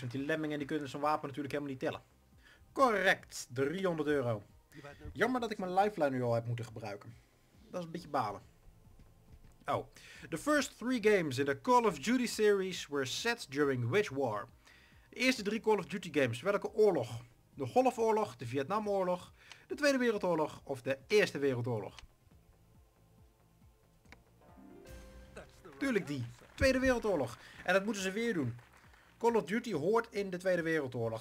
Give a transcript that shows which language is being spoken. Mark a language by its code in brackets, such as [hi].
[nl] Want die lemmingen die kunnen zo'n wapen natuurlijk helemaal niet tellen. Correct. 300 euro. Jammer dat ik mijn lifeline nu al heb moeten gebruiken. Dat is een beetje balen. Oh. [en] The first three games in the Call of Duty series were set during which war? [nl] De eerste drie Call of Duty games. Welke oorlog? De Golfoorlog, de Vietnamoorlog, de Tweede Wereldoorlog of de Eerste Wereldoorlog? Tuurlijk die. Tweede Wereldoorlog. En dat moeten ze weer doen. Call of Duty hoort in de Tweede Wereldoorlog.